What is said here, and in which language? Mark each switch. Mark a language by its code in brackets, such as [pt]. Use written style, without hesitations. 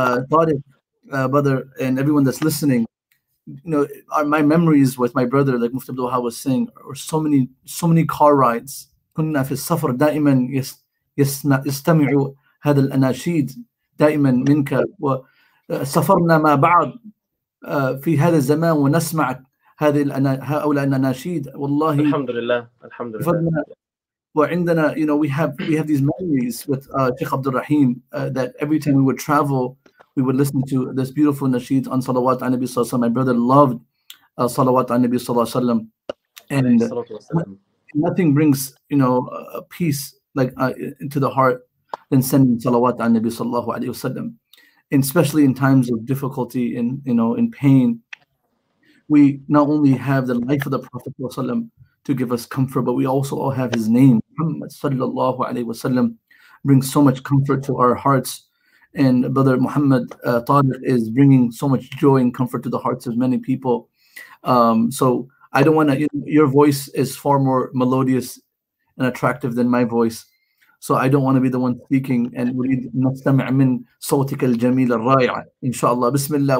[en] Tariq brother and everyone that's listening You know, my memories with my brother, like Muftah Abdul Wahab was saying, are so many car rides. [ar] كنا في السفر دائما يستمع هذا الأناشيد دائما منك. وسافرنا مع بعض في هذا الزمان ونسمع هؤلاء الأناشيد. والله الحمد لله الحمد لله. وعندنا, [en] you know, we have these memories with Sheikh Abdul Raheem that every time we would travel. We would listen to this beautiful nasheed on Salawat on Nabi Sallallahu Alaihi Wasallam. My brother loved Salawat on Nabi Sallallahu Alaihi Wasallam. And nothing brings, you know, peace like into the heart than sending Salawat on Nabi Sallallahu Alaihi Wasallam. And especially in times of difficulty and, you know, in pain, we not only have the life of the Prophet Sallallahu Alaihi Wasallam to give us comfort, but we also all have his name, Muhammad Sallallahu Alaihi Wasallam, brings so much comfort to our hearts. And Brother Muhammad Tariq is bringing so much joy and comfort to the hearts of many people. So I don't want to, you know, your voice is far more melodious and attractive than my voice. So I don't want to be the one speaking. And we need [ar] نَسْتَمِعْ مِنْ صَوْتِكَ الْجَمِيلَ الرَّائِعَ إن شاء الله بسم الله.